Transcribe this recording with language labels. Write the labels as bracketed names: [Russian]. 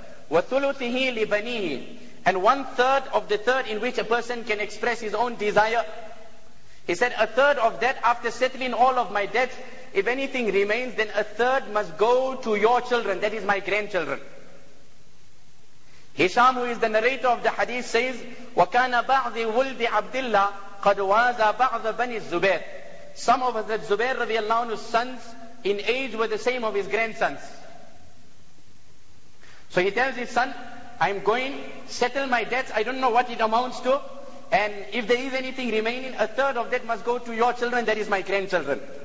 [Arabic] وَثُلُثِهِ لِبَنِيهِ. [English] And one third of the third in which a person can express his own desire. He said, a third of that, after settling all of my debts, if anything remains, then a third must go to your children, that is my grandchildren. Hisham, who is the narrator of the hadith, says, [Arabic] وَكَانَ بَعْضِ وُلْدِ عَبْدِ اللَّهِ قَدْ وَازَ بَعْضَ بَنِ الزُّبَيْرِ. [English] Some of the Zubair radiallahu anhu's sons in age were the same of his grandsons. So he tells his son, I'm going to settle my debts. I don't know what it amounts to. And if there is anything remaining, a third of that must go to your children, that is my grandchildren.